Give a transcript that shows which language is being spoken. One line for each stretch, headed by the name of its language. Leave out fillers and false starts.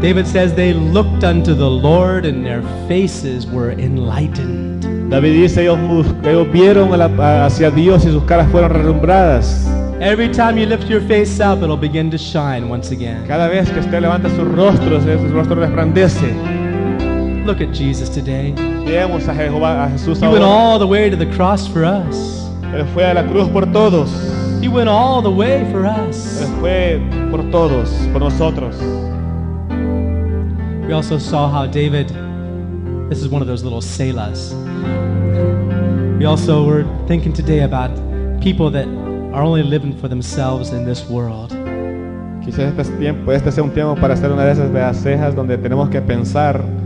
English: David says they looked unto the Lord and their faces were enlightened.
Spanish: David dice ellos vieron hacia Dios y sus caras fueron relumbradas.
English: Every time you lift your face up, it'll begin to shine once again.
Spanish: Cada vez que usted levanta su rostro, su rostro resplandece.
English: Look at Jesus today.
Spanish: Veamos a Jesús ahora.
English: He went all the way to the cross for us.
Spanish: Él fue a la cruz por todos.
English: He went all the way for us.
Spanish: Él fue por todos, por nosotros.
English: We also saw how David, this is one of those little Selahs. We also were thinking today about people that are only living for themselves in this world.
Spanish: Quizás este sea un tiempo para hacer una de esas cejas donde tenemos que pensar.